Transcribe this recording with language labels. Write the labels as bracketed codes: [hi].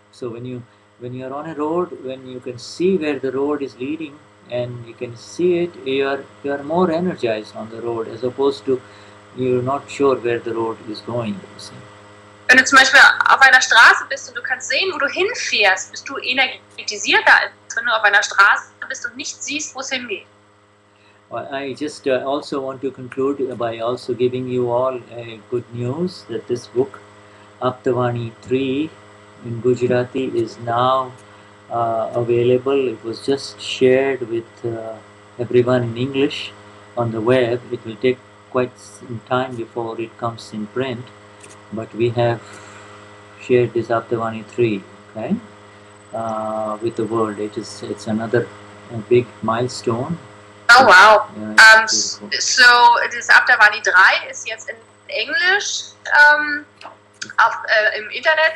[en] So when you are on a road, when you can see where the road is leading and you can see it, you are more energized on the road as opposed to you're not sure where the road is going. [de] Wenn du zum Beispiel auf einer Straße bist und du kannst sehen, wo du hinfährst, bist du energetisierter, als wenn du auf einer Straße bist und nicht siehst, wo es hingeht. [en] I just also want to conclude by also giving you all good news that this book, Dadavani 3 in Gujarati, is now available. It was just shared with everyone in English on the web. It will take quite some time before it comes in print, but we have shared this Dadavani 3, okay, with the world. It's another big milestone. Oh wow. [de] So das Dadavani 3 ist jetzt in Englisch im Internet.